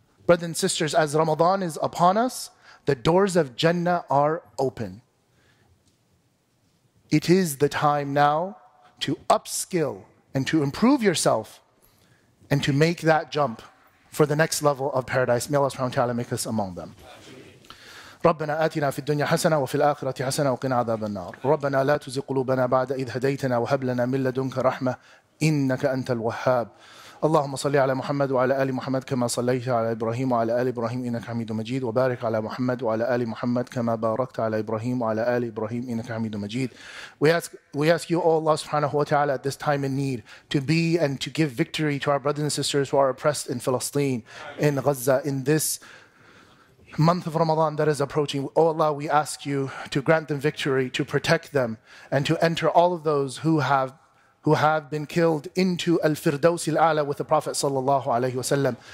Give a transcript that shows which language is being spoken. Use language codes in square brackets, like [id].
[en] Brothers and sisters, as Ramadan is upon us, the doors of Jannah are open. It is the time now to upskill and to improve yourself and to make that jump for the next level of paradise. May Allah subhanahu wa ta'ala make us among them. [ar] ربنا آتنا في الدنيا حسنة وفي الآخرة حسنة وقنا عذاب النار. ربنا لا تزغ قلوبنا بعد إذ هديتنا وهب لنا من لدنك رحمة إنك أنت الوهاب. اللهم صل على محمد وعلى آل محمد كما صليت على إبراهيم وعلى آل إبراهيم إنك حميد مجيد، وبارك على محمد وعلى آل محمد كما باركت على إبراهيم وعلى آل إبراهيم إنك حميد مجيد. [en] We ask you, O Allah subhanahu wa ta'ala, at this time in need, to be and to give victory to our brothers and sisters who are oppressed in Palestine, in Gaza, in this month of Ramadan that is approaching. O Allah, we ask you to grant them victory, to protect them, and to enter all of those who have been killed into al-firdaus al-a'la with the Prophet sallallahu alayhi wa sallam.